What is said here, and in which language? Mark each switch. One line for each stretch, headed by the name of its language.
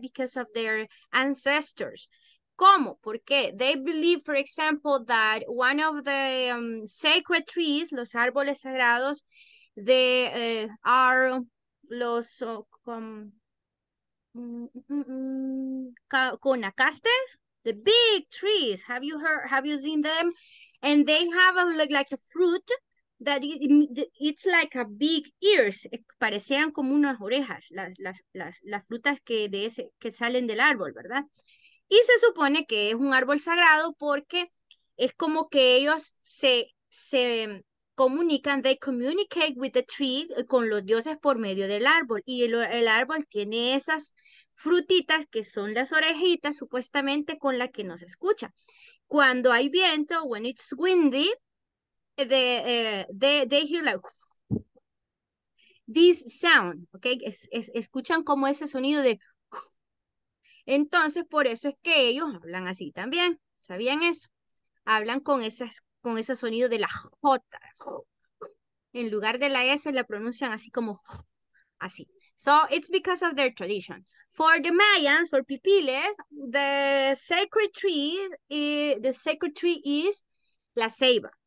English: Because of their ancestors.
Spanish: ¿Cómo? Porque
English: they believe, for example, that one of the sacred trees,
Spanish: los árboles sagrados,
English: they are
Spanish: los conacastes,
English: the big trees. Have you heard, have you seen them? And they have a like a fruit that it's like a big ears.
Spanish: Parecían como unas orejas, las frutas que salen del árbol, ¿verdad? Y se supone que es un árbol sagrado porque es como que ellos se comunican,
English: they communicate with the trees,
Spanish: con los dioses por medio del árbol. Y el árbol tiene esas frutitas que son las orejitas, supuestamente con las que nos escucha. Cuando hay viento,
English: when it's windy, they hear like this sound, okay?
Spanish: Escuchan como ese sonido de... Entonces, por eso es que ellos hablan así también. ¿Sabían eso? Hablan con ese sonido de la J. En lugar de la S, la pronuncian así como... así.
English: So it's because of their tradition. For the Mayans or pipiles, the sacred tree is la ceiba.